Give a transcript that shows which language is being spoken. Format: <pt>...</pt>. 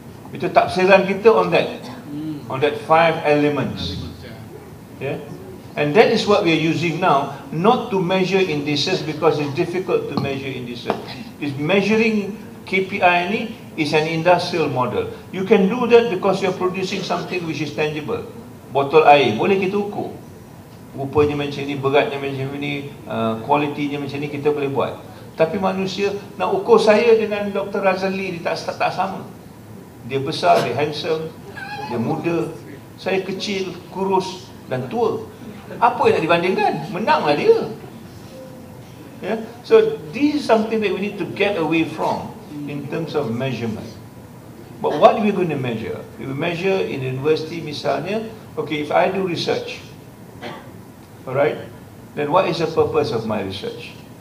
<ms>Itu tafsiran kita</ms> <en>on that five elements. Yeah? And that is what we are using now, not to measure indices because it's difficult to measure indices. is measuring KPI ni is an industrial model. You can do that because you're producing something which is tangible.</en> <ms>Botol air, boleh kita ukur. Rupanya macam ni, beratnya macam ni, kualitinya macam ni, kita boleh buat. Tapi manusia, nak ukur saya dengan Dr. Razali, dia tak sama. Dia besar, dia handsome, dia muda. Saya kecil, kurus dan tua. Apa yang nak dibandingkan? Menanglah dia. Yeah?</ms> <en>So, this is something that we need to get away from in terms of measurement. But what are we going to measure? If we measure in university, misalnya, okay, if I do research, alright, then what is the purpose of my research?</en>